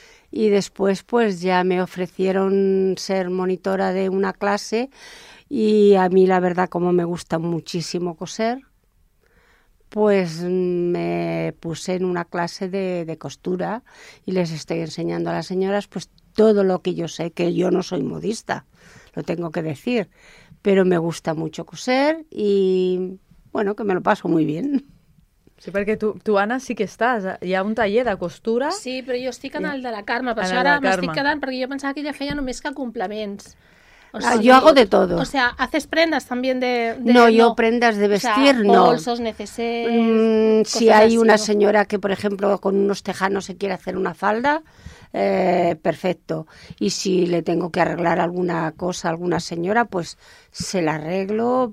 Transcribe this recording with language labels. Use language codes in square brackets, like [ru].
[es] Y después pues ya me ofrecieron ser monitora de una clase y a mí la verdad como me gusta muchísimo coser, pues me puse en una clase de costura y les estoy enseñando a las señoras pues todo lo que yo sé, que yo no soy modista, lo tengo que decir, pero me gusta mucho coser y bueno, que me lo paso muy bien. [ca] Sí, perquè tu, Anna, sí que estàs. Hi ha un taller de costura. Sí, però jo estic en el de la Carme, per això ara m'estic quedant, perquè jo pensava que ella feia només que complements. [es] Yo hago de todo. O sea, ¿haces prendas también de...? No, yo prendas de vestir, no. Bolsos, neceseres... Si hay una señora que, por ejemplo, con unos tejanos se quiere hacer una falda, perfecto. Y si le tengo que arreglar alguna cosa a alguna señora, pues se la arreglo.